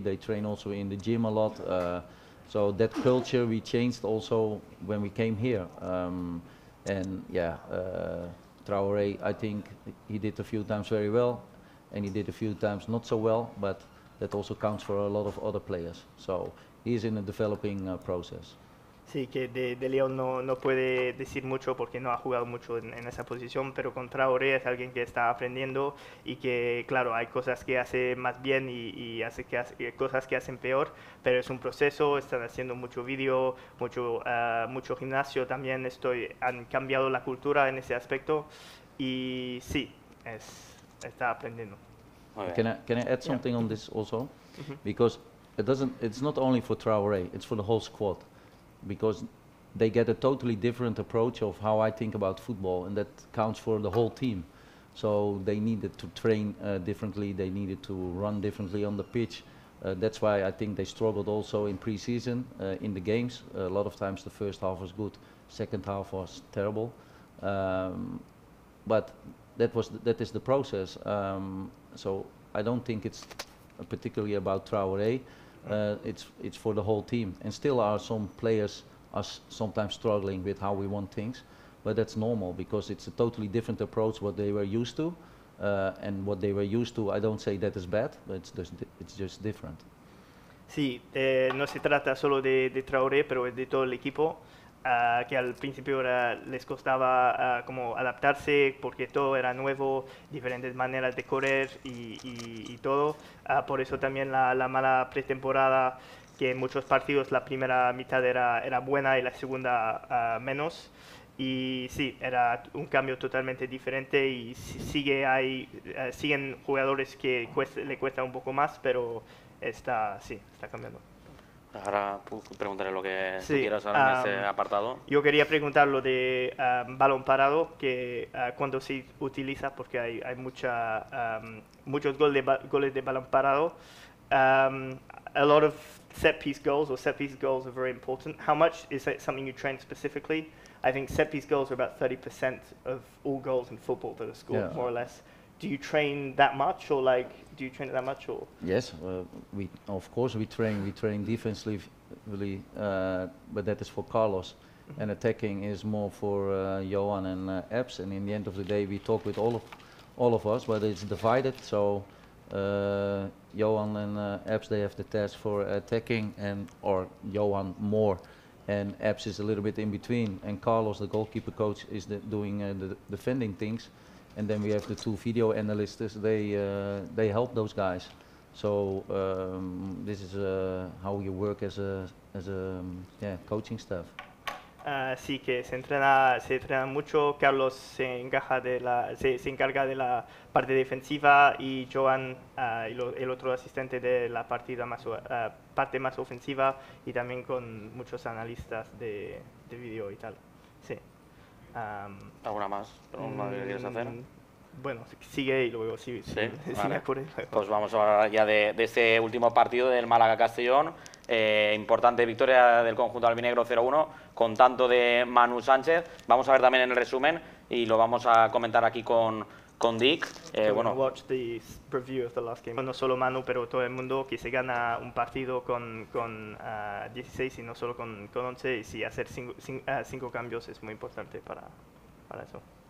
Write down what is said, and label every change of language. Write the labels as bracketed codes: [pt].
[en] They train also in the gym a lot. So that culture we changed also when we came here. Traoré, I think he did a few times very well, and he did a few times not so well, but that also counts for a lot of other players. So he's in a developing process. [es] Sí, que de León no puede decir mucho porque no ha jugado mucho en esa posición, pero con Traoré es alguien que está aprendiendo y que, claro, hay cosas que hace más bien y cosas que hacen peor, pero es un proceso, están haciendo mucho vídeo, mucho gimnasio también, han cambiado la cultura en ese aspecto y sí, está aprendiendo. [en] Can I add something on this also? Mm-hmm. Because it's not only for Traoré, it's for the whole squad. Because they get a totally different approach of how I think about football, and that counts for the whole team. So they needed to train differently, they needed to run differently on the pitch. That's why I think they struggled also in pre-season, in the games. A lot of times the first half was good, second half was terrible. But that is the process. So I don't think it's particularly about Traoré. It's for the whole team, and still are some players are sometimes struggling with how we want things, but that's normal because it's a totally different approach what they were used to, and what they were used to. I don't say that is bad, but it's just different. [es] Sí, no se trata solo de Traoré, pero es de todo el equipo. Que al principio les costaba como adaptarse porque todo era nuevo, diferentes maneras de correr y todo. Por eso también la mala pretemporada, que en muchos partidos la primera mitad era buena y la segunda menos. Y sí, era un cambio totalmente diferente y siguen jugadores que le cuesta un poco más, pero está cambiando. Ahora preguntaré lo que quieras ahora en ese apartado. Yo quería preguntar lo de balón parado, que cuando se utiliza, porque hay muchos goles de balón parado. [en] A lot of set piece goals are very important. How much is that something you train specifically? I think set piece goals are about 30% of all goals in football that are scored, more or less. Do you train that much, or Yes, we train defensively, but that is for Carlos, and attacking is more for Johan and Epps. And in the end of the day, we talk with all of us, but it's divided. So Johan and Epps, they have the task for attacking, or Johan more, and Epps is a little bit in between. And Carlos, the goalkeeper coach, is doing the defending things. And then we have the two video analysts, they help those guys. So this is how you work as a coaching staff. [es] Sí, que se entrena mucho. Carlos se encarga de la parte defensiva y Joan, el otro asistente, de la parte más ofensiva, y también con muchos analistas de video y tal. Sí. ¿Alguna más? ¿Alguna que quieres hacer? Bueno, sigue y luego me acuerdo. Pues vamos a hablar ya de este último partido del Málaga-Castellón. Importante victoria del conjunto albinegro 0-1 con tanto de Manu Sánchez. Vamos a ver también en el resumen y lo vamos a comentar aquí con Dick. [en] Bueno, watch the preview of the last game. [es] No solo Manu, pero todo el mundo, que se gana un partido con 16 y no solo con 11. Y sí, hacer 5 cambios es muy importante para eso.